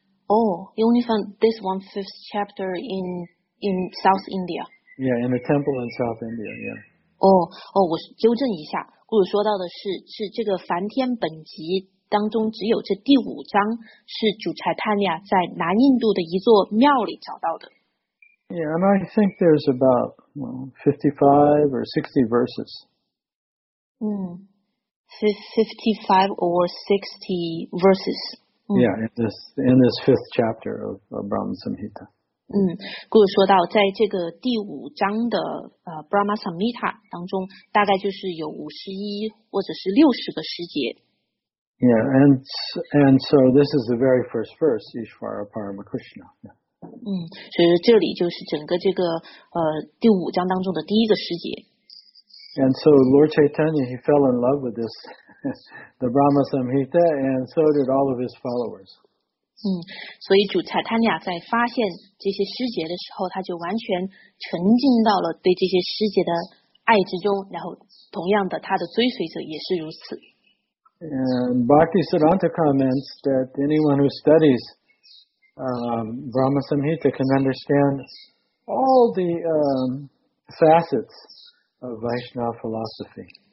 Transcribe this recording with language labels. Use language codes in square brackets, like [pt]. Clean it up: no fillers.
[en] Oh, he only found this one fifth chapter in South India. Yeah, in a temple in South India, yeah. [zh] 我纠正一下，古鲁说到的是这个梵天本集当中只有这第五章是主柴坦尼亚在南印度的一座庙里找到的。 [en] Yeah, and I think there's about 55 or 60 verses. 55 or 60 verses. Yeah, in this fifth chapter of Brahma Samhita. [zh] 故事说到在这个第五章的Brahma Samhita 当中大概就是有51或者是60个诗节。 [en] Yeah, and so this is the very first verse, [sa] Ishvara Parama Krishna. [en] Yeah. [zh] 所以这里就是整个这个第五章当中的第一个诗节。 [en] And so Lord Chaitanya, he fell in love with this, the Brahma Samhita, and so did all of his followers. [zh] 所以主柴坦尼亚在发现这些诗节的时候，他就完全沉浸到了对这些诗节的爱之中，然后同样的，他的追随者也是如此。 [en] And Bhaktisiddhanta comments that anyone who studies Brahma Samhita can understand all the facets of Vaishnava philosophy.